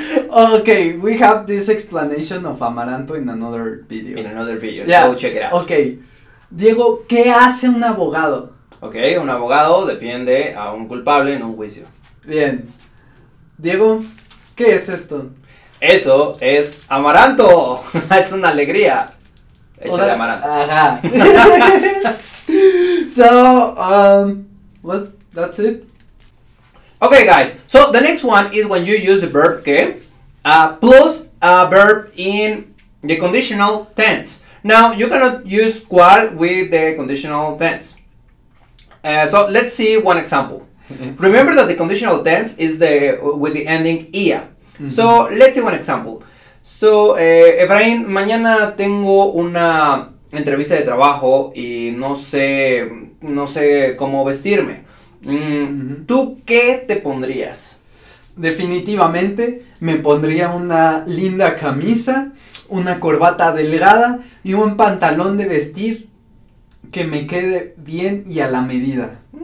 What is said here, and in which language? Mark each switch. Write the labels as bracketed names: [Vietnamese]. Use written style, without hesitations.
[English] Okay, we have this explanation of amaranto in another video. In another video, yeah. So check it out. [Spanish] Okay, Diego, ¿qué hace un abogado? Okay, un abogado defiende a un culpable en un juicio. Bien. Diego, ¿qué es esto? Eso es amaranto. Es una alegría hecha de amaranto. [English] Ajá. So, well, that's it. Okay, guys. So, the next one is when you use the verb que plus a verb in the conditional tense. Now, you cannot use cual with the conditional tense. So, let's see one example. Remember that the conditional tense is the with the ending ia. Mm-hmm. So, let's see one example. [Spanish] So, Efraín, mañana tengo una entrevista de trabajo y no sé cómo vestirme. ¿Tú qué te pondrías? Definitivamente me pondría una linda camisa, una corbata delgada y un pantalón de vestir que me quede bien y a la medida.